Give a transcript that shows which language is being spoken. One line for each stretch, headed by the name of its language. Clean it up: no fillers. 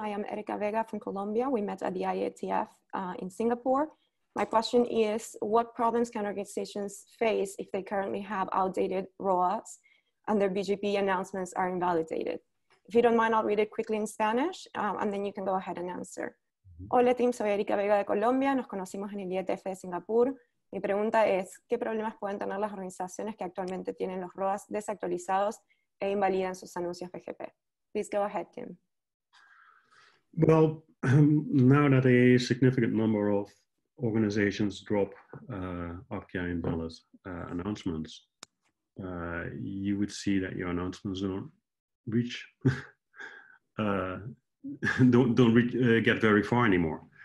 English: I am Erika Vega from Colombia. We met at the IATF in Singapore. My question is, what problems can organizations face if they currently have outdated ROAs and their BGP announcements are invalidated? If you don't mind, I'll read it quickly in Spanish, and then you can go ahead and answer.
Spanish: Hola, Tim. Soy Erika Vega de Colombia. Nos conocimos en el IATF de Singapur. Mi pregunta es, ¿qué problemas pueden tener las organizaciones que actualmente tienen los ROAs desactualizados e invalidan sus anuncios BGP?
English: Please go ahead, Tim. Well, now that a significant number of organizations drop RPKI invalid announcements, you would see that your announcements don't get very far anymore.